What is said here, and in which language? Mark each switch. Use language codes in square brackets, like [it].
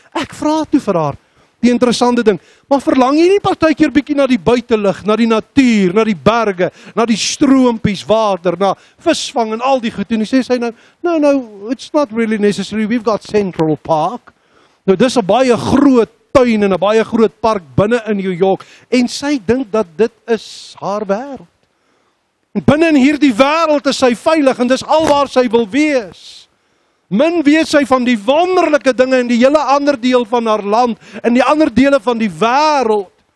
[af] Ek vra toe vir haar die interessante ding, maar verlang jy nie partykeer bietjie na die buitelug, na die natuur, na die berge, na die stroompies, water, na visvang en al die goed. En sy sê nou, [en] no, it's not really necessary, we've got Central Park. [af] Nou, dis 'n baie groot tuin en 'n baie groot park binnen in New York. En sy dink dat dit is haar wêreld. Binnen in hierdie wêreld is sy veilig en dis al waar sy wil wees. Min weet sy van die wonderlike dinge in die hele ander deel van haar land, in die ander dele van die wêreld.